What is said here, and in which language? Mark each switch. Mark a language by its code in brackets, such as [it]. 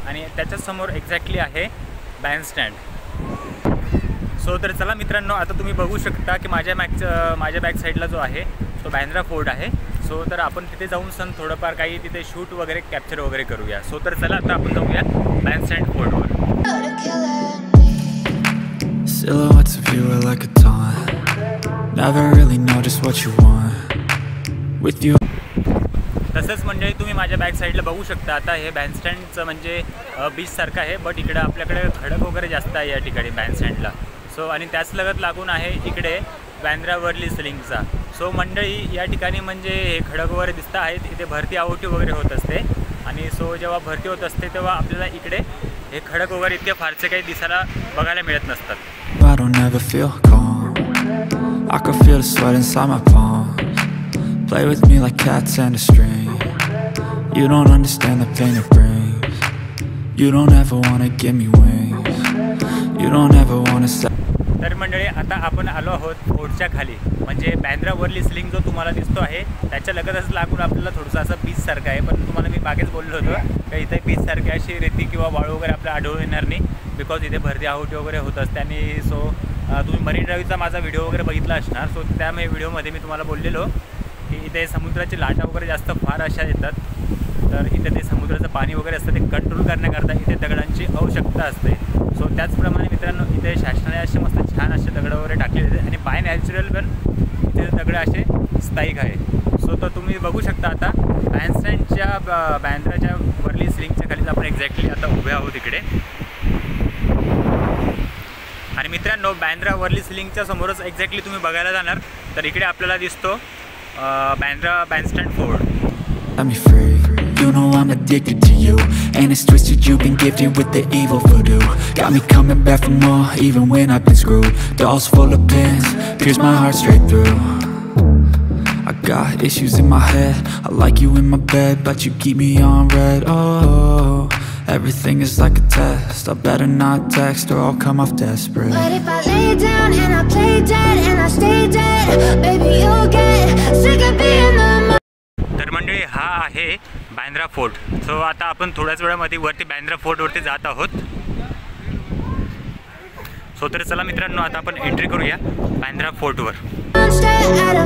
[mr] आणि त्याच्यासमोर एक्झॅक्टली आहे बँडस्टँड. सो तर चला मित्रांनो, आता तुम्ही बघू शकता की माझ्या बॅक साईडला जो आहे तो बांद्रा फोर्ट आहे. सो तर आपण तिथे जाऊन सन थोडंफार काही तिथे शूट वगैरे कॅप्चर वगैरे करूया. सो तर चला आता आपण जाऊया Bandstand फोर्टवर. [en] Silhouettes of you are like a taunt. Never really know just what you want. With you. [mr] तसंच म्हणजे तुम्ही माझ्या बॅक साईडला बघू शकता आता हे बँडस्टँडचं म्हणजे बीच सारखं आहे. बट इकडे आपल्याकडे खडक वगैरे जास्त आहे या ठिकाणी बँडस्टँडला. सो आणि त्याच लगत लागून आहे इकडे बांद्रा वरली सिलिंगचा. सो मंडळी, या ठिकाणी म्हणजे हे खडक वगैरे दिसतं आहेत, इथे भरती आवटी वगैरे होत असते. आणि सो जेव्हा भरती होत असते तेव्हा आपल्याला इकडे हे खडक वगैरे इतके फारसे काही दिसायला बघायला मिळत नसतात. [en] I don't ever feel calm. I can feel the sweat inside my palms. Play with me like cats and a string. You don't understand the pain it brings. You don't ever wanna give me wings. You don't ever wanna say. [mr] तर मंडळी, आता आपण आलो आहोत फोर्टच्या खाली. म्हणजे Bandra Worli ceiling जो तुम्हाला दिसतो आहे त्याच्या लगतच लागून आपल्याला थोडंसं असं बीच सारखं आहे. पण तुम्हाला मी मागेच बोललो होतो की इथे बीच सारखे अशी रेती किंवा वाळू वगैरे आपल्याला आढळून येणार नाही, बिकॉज इथे भरती आहुटी वगैरे होत असते. आणि सो तुम्ही मरीन ड्राईव्हचा माझा व्हिडिओ वगैरे बघितला असणार. सो त्या व्हिडिओमध्ये मी तुम्हाला बोललेलो की इथे समुद्राची लाटा वगैरे जास्त फार अशा येतात. तर इथे ते समुद्राचं पाणी वगैरे असतं ते कंट्रोल करण्याकरता इथे दगडांची आवश्यकता असते. सो त्याचप्रमाणे मित्रांनो, इथे शासनाने असे मस्त छान असे दगडं वगैरे टाकलेले आहेत. आणि बाय नॅचरल पण इथे दगडं असे स्थायिक आहे. सो तर तुम्ही बघू शकता आता बँडस्टँडच्या बांद्राच्या वरली सिलिंगच्या खाली आपण एक्झॅक्टली आता उभे आहोत इकडे. आणि मित्रांनो, बांद्रा वरली सिलिंगच्या समोरच एक्झॅक्टली तुम्ही बघायला जाणार तर इकडे आपल्याला दिसतो Bandra Bandstand fort. [en] You know I'm addicted to you. And it's twisted, you've been gifted with the evil voodoo. Got me coming back for more, even when I've been screwed. Dolls full of pins, pierce my heart straight through. I got issues in my head. I like you in my bed, but you keep me on red. Oh, everything is like a test. I better not text or I'll come off desperate. But if I lay down and I play dead and I stay dead, baby you'll get sick of being the mo- [mr] मंडळी, हा आहे Bandra fort. So आता आपण थोड्याच वेळामध्ये वरती बांद्रा फोर्टवरती जात आहोत. सो तर चला मित्रांनो, आता आपण एंट्री करूया बांद्रा फोर्टवर.